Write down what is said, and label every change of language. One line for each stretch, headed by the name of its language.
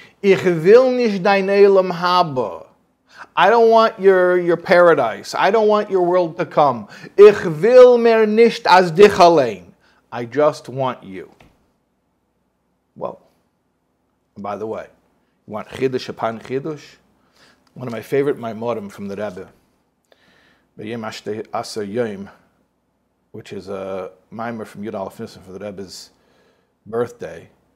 German: Ich will nicht dein Elam Haba.
English: I don't want your paradise. I don't want your world to come.
German: Ich will mehr nicht als dich allein.
English: I just want you. Well, by the way, you want chiddush upon chiddush? One of my favorite maimorim from the Rebbe, B'yim Ashtei Aser Yom, which is a maimor from Yud Aleph Nissen for the Rebbe's birthday.